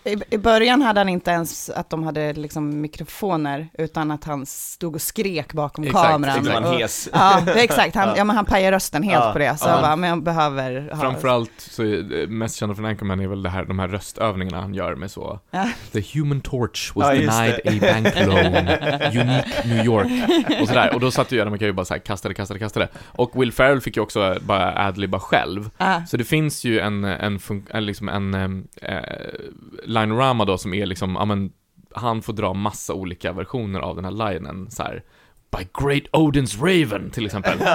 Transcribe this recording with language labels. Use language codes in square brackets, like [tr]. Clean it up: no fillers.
[sv] I början hade han inte ens att de hade liksom mikrofoner utan att han stod och skrek bakom kameran. Exakt, och, hes. Ja, det är exakt. Han, ja, men han pajar rösten helt på det. Så bara, men jag behöver ha. Framförallt så är mest kända från Anchorman är väl det här, de här röstövningarna han gör med så. [en] The human torch was denied a bank loan. Unique New York. [sv] Och sådär. Och då satt ju, man kan ju bara såhär, kastade. Och Will Ferrell fick ju också bara adlibba själv. Så det finns ju en linorama då som är liksom, amen, han får dra massa olika versioner av den här linen så här, [en] by great Odin's raven [sv] till exempel,